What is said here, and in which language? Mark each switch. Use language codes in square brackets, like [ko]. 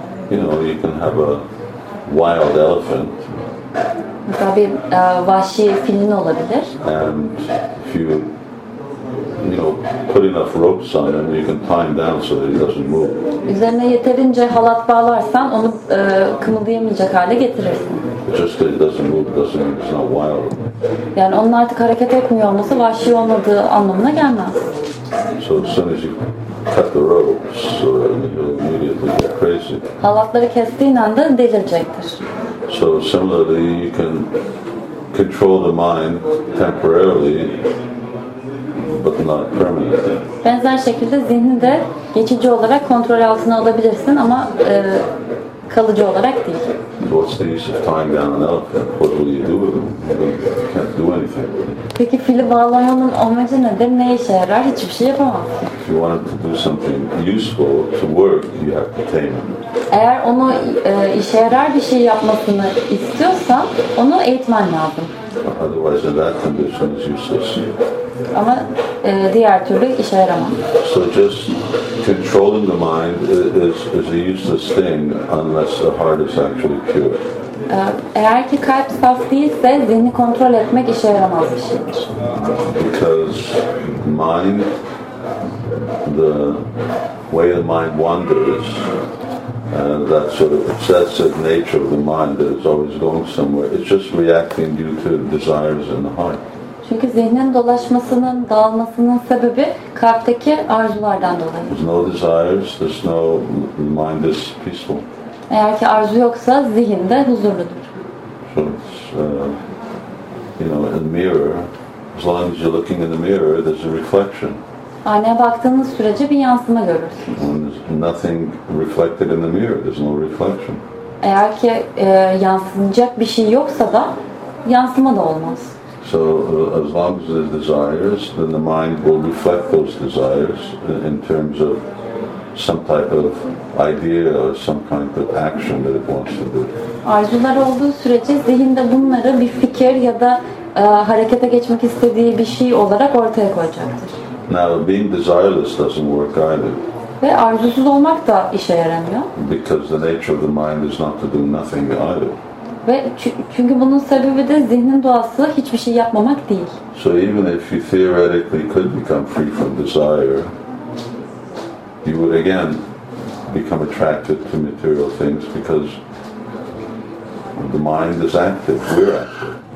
[en] You know, you can have a wild elephant. [tr] Mesela bir vahşi filin olabilir. [en] And if you, put enough ropes on him, you can tie him down so that he doesn't move. [tr] Üzerine yeterince halat bağlarsan onu kımıldayamayacak hale getirirsin. [en] Just that he doesn't move doesn't mean he's not wild. [tr] Yani onun artık hareket etmiyor olması vahşi olmadığı anlamına gelmez. [en] So as soon as you cut the ropes, he'll immediately get crazy. [tr] Halatları kestiğin anda delirecektir. [en] So similarly, you can control the mind temporarily, but not permanently. [tr] Benzer şekilde zihni de geçici olarak kontrol altına alabilirsin, ama kalıcı olarak değil. [en] What's the use of tying down an elephant? What will you do with him? You can't do anything. [tr] Peki fili bağlamanın amacı nedir? Ne işe yarar? Hiçbir şey yapamazsın. [en] If you want to do something useful to work, you have to tame him. [tr] Eğer onu işe yarar bir şey yapmasını istiyorsan, onu eğitmen lazım. [en] Otherwise, in that condition, it's useless. [tr] Ama diğer türlü işe yaramaz. [en] So just controlling the mind is a useless thing unless the heart is actually pure. [tr] Eğer ki kalp saf değilse, zihni kontrol etmek işe yaramaz bir şey. [en] Because mind, the way the mind wanders, and that sort of obsessive nature of the mind that is always going somewhere, it's just reacting due to desires in the heart. [tr] Çünkü zihnin dolaşmasının, dağılmasının sebebi kalpteki arzulardan dolayı. [en] There's no desires, there's no mind is peaceful. [tr] Eğer ki arzu yoksa zihin de huzurludur. [en] So in the mirror, as long as you're looking in the mirror, there's a reflection. [tr] Aynaya baktığınız sürece bir yansıma görürsünüz. [en] Nothing reflected in the mirror. There's no reflection. [tr] Eğer ki yansınacak bir şey yoksa da yansıma da olmaz. [en] So as long as there's desires, then the mind will reflect those desires in terms of some type of idea or some kind of action that it wants to do. [tr] Arzular olduğu sürece zihinde bunları bir fikir ya da harekete geçmek istediği bir şey olarak ortaya koyacaktır. [en] Now being desireless doesn't work either. [tr] Ve arzusuz olmak da işe yaramıyor. [en] Because the nature of the mind is not to do nothing either. [tr] Ve çünkü bunun sebebi de zihnin doğası hiçbir şey yapmamak değil. [en] So even if you theoretically could become free from desire, you would again become attracted to material things because the mind is active, we're active.